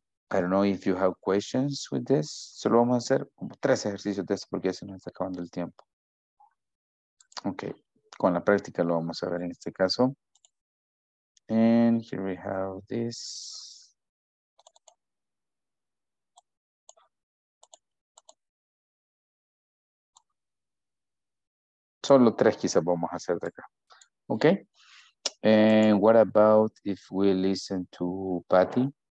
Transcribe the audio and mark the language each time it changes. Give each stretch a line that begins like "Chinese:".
English: I don't know if you have questions with this.
Spanish: Solo vamos a hacer como tres ejercicios de esto porque ya se nos está acabando el tiempo. Ok. Con la práctica lo vamos a ver en este caso. And here we have this. Solo tres quizás vamos a hacer de acá. Ok.
English: And what about if we listen to Patty?